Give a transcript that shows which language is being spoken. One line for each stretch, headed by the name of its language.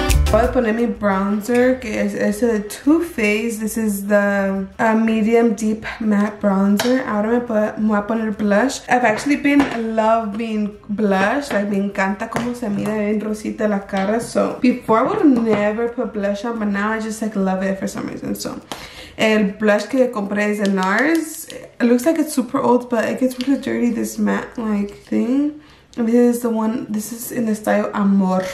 Spanish: Voy a poner mi bronzer, que es este de Too Faced.
English: This is the medium deep matte bronzer.
Spanish: Ahora me voy a poner blush.
English: I've actually been loving blush.
Spanish: Like, me encanta cómo se mira bien rosita la cara.
English: So, before I would never put blush on, but now I just like love it for some reason.
Spanish: So, el blush que compré es de NARS.
English: It looks like it's super old, but it gets really dirty, this matte like thing. This is the one, this is in the style Amor.